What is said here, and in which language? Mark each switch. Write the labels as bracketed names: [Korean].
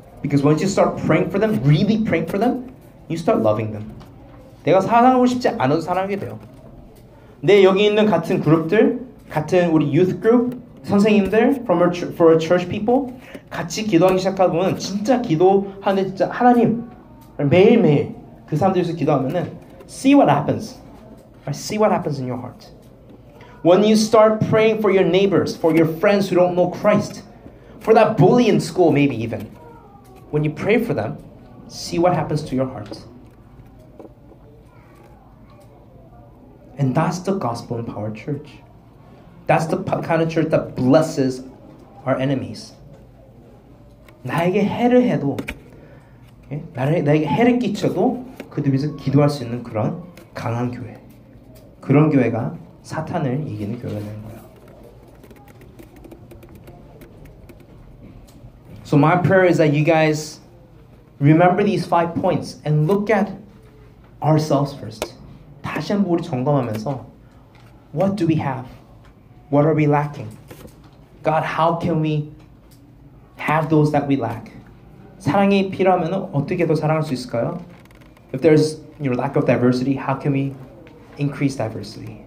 [English] Because once you start praying for them, really praying for them, you start loving them. [Korean] 내가 사랑하고 싶지 않아도 사랑하게 돼요. 내 여기 있는 같은 그룹들, 같은 우리 youth group, 선생님들, [English] for our church people, [Korean] 같이 기도하기 시작하면 진짜 기도하는 진짜 하나님, 매일매일 그 사람들에서 기도하면은 [English] see what happens. See what happens in your heart. When you start praying for your neighbors, for your friends who don't know Christ, for that bully in school, maybe even, when you pray for them, see what happens to your heart. And that's the gospel-empowered church. That's the kind of church that blesses our enemies. [Korean] 나에게 해를 해도, 나에게 해를 끼쳐도 그들 위해서 기도할 수 있는 그런 강한 교회. 그런 교회가 사탄을 이기는 교회가 되는 거예요. [English] So my prayer is that you guys remember these 5 points and look at ourselves first. [Korean] 다시 한번 우리 점검하면서 [English] What do we have? What are we lacking? God, how can we have those that we lack? [Korean] 사랑이 필요하면 어떻게 더 사랑할 수 있을까요? [English] If there's lack of diversity, how can we increase diversity?